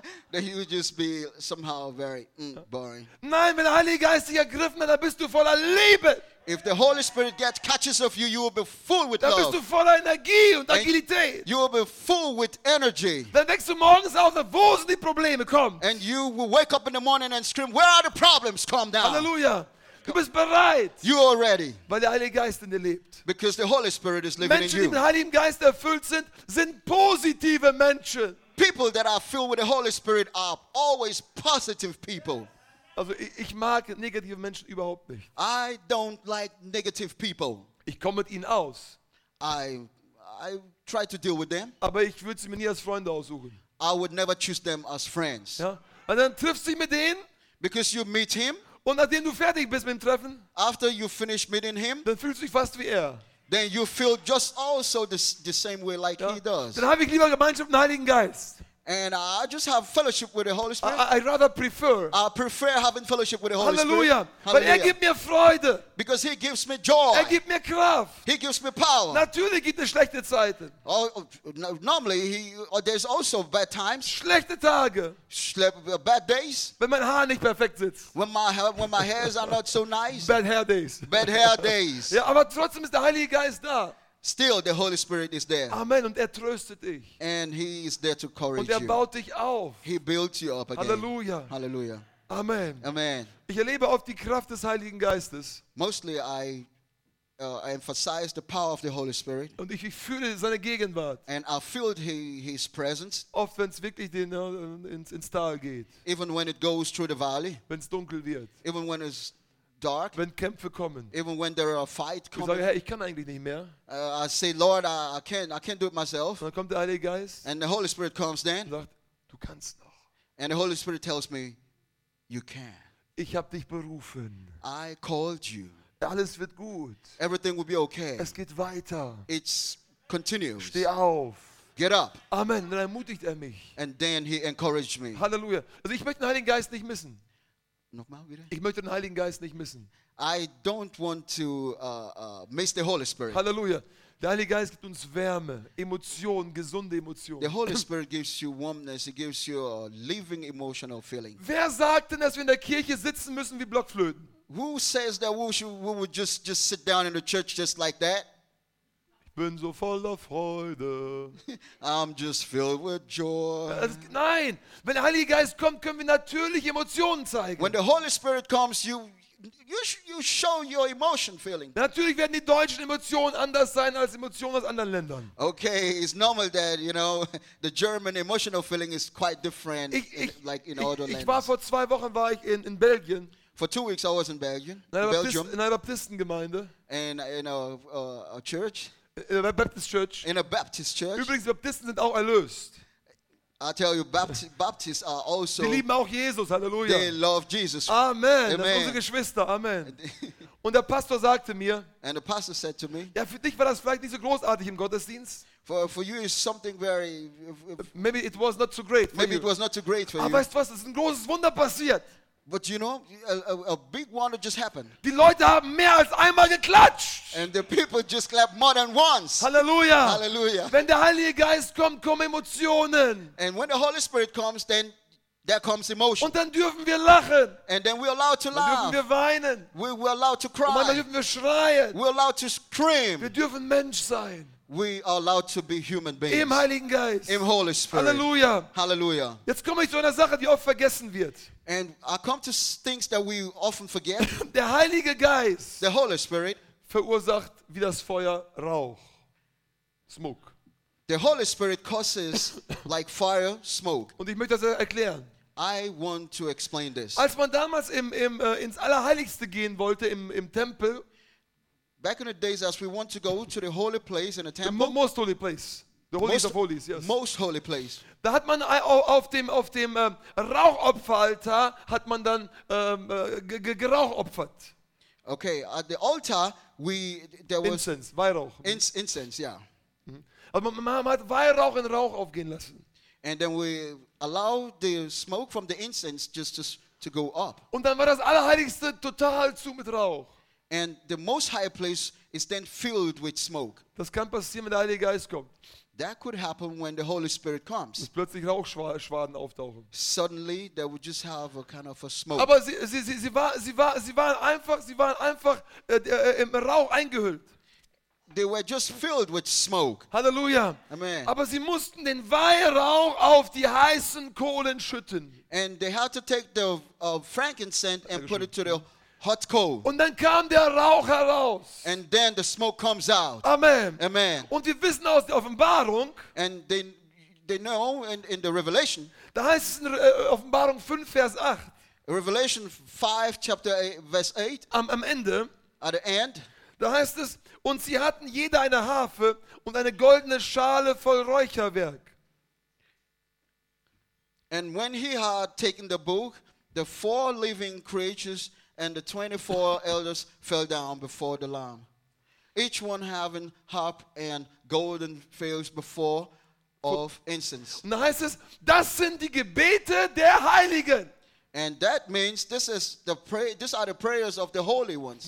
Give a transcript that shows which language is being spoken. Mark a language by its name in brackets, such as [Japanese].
[English] Then you just be somehow very boring. [German] Nein, wenn der Heilige Geist dich ergriffen hat, dann bist du voller Liebe. [English] If the Holy Spirit gets catches of you, you will be full with [German] dann [English] love. [German] Dann bist du voller Energie und Agilität. [English] And you will be full with energy. [German] Dann wächst du morgens auf, wo sind die Probleme? Komm. [English] And you will wake up in the morning and scream, where are the problems? Calm down. [German] Halleluja. Du bist bereit. [English] You are ready. [German] Weil der Heilige Geist in dir lebt. [English] Because the Holy Spirit is living [German] Menschen, [English] in you. [German] Menschen, die mit dem Heiligen Geist erfüllt sind, sind positive Menschen. [English] People that are filled with the Holy Spirit are always positive people. [German] Also ich mag negative Menschen überhaupt nicht. [English] I don't like negative people. [German] Ich komme mit ihnen aus. [English] I try to deal with them. [German] Aber ich würde sie mir nie als Freunde aussuchen. [English] I would never choose them as friends. [German] Ja? Und dann triffst du mit denen. [English] Because you meet him. [German] Und nachdem du fertig bist mit dem Treffen. [English] After you finish meeting him. [German] Dann fühlst du dich fast wie er. [English] Then you feel just also the same way like ja? He does. [German] Dann habe ich lieber Gemeinschaft mit dem Heiligen Geist. [English] And I just have fellowship with the Holy Spirit. I prefer having fellowship with the Holy Halleluja. Spirit. [German] Halleluja. Weil er gibt mir Freude. [English] Because he gives me joy. [German] Er gibt mir Kraft. [English] He gives me power. [German] Natürlich gibt es schlechte Zeiten. [English] Normally, there's also bad times. [German] Schlechte Tage. [English] Bad days. [German] Wenn mein Haar nicht perfekt sitzt. [English] When my hairs are not so nice. Bad hair days. Bad hair days. [German] Ja, aber trotzdem ist der Heilige Geist da. [English] Still, the Holy Spirit is there. [German] Amen. Und er tröstet dich. [English] And he is there to encourage [German] you. Und er baut dich auf. [English] He builds you up again. Halleluja. Halleluja. Amen. Amen. [German] Ich erlebe oft die Kraft des Heiligen Geistes. [English] Mostly I emphasize the power of the Holy Spirit. [German] Und ich fühle seine Gegenwart. [English] And I feel his presence. [German] Oft wenn es wirklich ins Tal geht. [English] Even when it goes through the valley. [German] Wenn es dunkel wird. [English] Even when it's dark, [German] wenn Kämpfe kommen, [English] even when there are a fight coming, [German] ich sage, hey, ich kann eigentlich nicht mehr. [English] I say, Lord, I can't do it myself. [German] Dann kommt der Heilige Geist, [English] and the Holy Spirit comes then, [German] und sagt, du kannst noch. [English] And the Holy Spirit tells me, you can. [German] Ich habe dich berufen. [English] I called you. [German] Alles wird gut. [English] Everything will be okay. [German] Es geht weiter. [English] It's continues. [German] Steh auf. [English] Get up. [German] Amen. Dann ermutigt er mich. [English] And then he encouraged me. Halleluja. [German] Also ich möchte den Heiligen Geist nicht missen. Nochmal wieder. Ich möchte den Heiligen Geist nicht missen. [English] I don't want to miss the Holy Spirit. Halleluja. [German] Der Heilige Geist gibt uns Wärme, Emotionen, gesunde Emotionen. [English] The Holy Spirit gives you warmness. It gives you a living emotional feeling. [German] Wer sagt denn, dass wir in der Kirche sitzen müssen wie Blockflöten? [English] Who says that we would just sit down in the church just like that? [German] Ich bin so voller Freude. [English] I'm just filled with joy. [German] Nein, wenn der Heilige Geist kommt, können wir natürlich Emotionen zeigen. [English] When the Holy Spirit comes, you you show your emotion feeling. [German] Natürlich werden die deutschen Emotionen anders sein als Emotionen aus anderen Ländern. [English] Okay, it's normal that you know the German emotional feeling is quite different [German] Ich war vor zwei Wochen war ich in Belgien. [English] For 2 weeks I was in Belgium. [German] In einer Baptistengemeinde. [English] And in a church. In a Baptist church. In a Baptist church. [German] Übrigens, Baptisten sind auch erlöst. [English] I tell you, Baptists are also. [German] Die lieben auch Jesus, Halleluja. [English] They love Jesus. Amen. Amen. [German] Das sind unsere Geschwister. Amen. Und der Pastor sagte mir. [English] And the pastor said to me. [German] Ja, für dich war das vielleicht nicht so großartig im Gottesdienst. [English] For you, it's something very. Maybe it was not too great. Maybe it was not too great for you. [German] Aber weißt du was? Es ist ein großes Wunder passiert. [English] But you know, a big wonder just happened. [German] Die Leute haben mehr als einmal geklatscht. [English] And the people just clapped more than once. Halleluja. Halleluja. [German] Wenn der Heilige Geist kommt, kommen Emotionen. [English] And when the Holy Spirit comes, then there comes emotion. [German] Und dann dürfen wir lachen. [English] And then we're allowed to laugh. [German] Dann dürfen wir weinen. [English] We're allowed to cry. [German] Und dann dürfen wir schreien. [English] We're allowed to scream. [German] Wir dürfen Mensch sein. [English] We are allowed to be human beings. [German] Im Heiligen Geist. Im [English] Holy Spirit. Halleluja. Halleluja. [German] Jetzt komme ich zu einer Sache, die oft vergessen wird. [English] And I come to things that we often forget. [German] Der Heilige Geist. [English] The Holy Spirit. [German] Verursacht wie das Feuer Rauch. [English] Smoke. The Holy Spirit causes like fire, smoke. [German] Und ich möchte das erklären. [English] I want to explain this. [German] Als man damals ins Allerheiligste gehen wollte im Tempel. [English] Back in the days, as we want to go to the holy place in the temple, the most holy place, the holiest of holies, yes, most holy place. [German] Da hat man auf dem Rauchopferaltar hat man dann geraucht. [English] Okay, at the altar there was incense, Weihrauch. Incense, yeah. Mm-hmm. [German] Also man hat Weihrauch in Rauch aufgehen lassen. [English] And then we allow the smoke from the incense just to go up. [German] Und dann war das Allerheiligste total zu mit Rauch. [English] And the most high place is then filled with smoke. [German] Das kann passieren, wenn der Heilige Geist kommt. [English] That could happen when the Holy Spirit comes. [German] Dass plötzlich Rauchschwaden auftauchen. [English] Suddenly they would just have a kind of a smoke. [German] Aber sie waren einfach im Rauch eingehüllt. [English] They were just filled with smoke. Halleluja. Amen. [German] Aber sie mussten den Weihrauch auf die heißen Kohlen schütten. [English] And they had to take the frankincense and put it to the hot coal. [German] Und dann kam der Rauch heraus. [English] And then the smoke comes out. Amen. Amen. [German] Und wir wissen aus der Offenbarung. [English] And they know in the Revelation. [German] Da heißt es in Offenbarung 5, Vers 8. [English] Revelation 5, chapter 8, verse 8. [German] Am Ende. [English] At the end. [German] Da heißt es, und sie hatten jeder eine Harfe und eine goldene Schale voll Räucherwerk. [English] And when he had taken the book, the four living creatures and the 24 elders fell down before the Lamb, each one having harp and golden fields before of incense. [German] Und heißt es, das sind die Gebete der Heiligen. [English] And that means these are the prayers of the holy ones.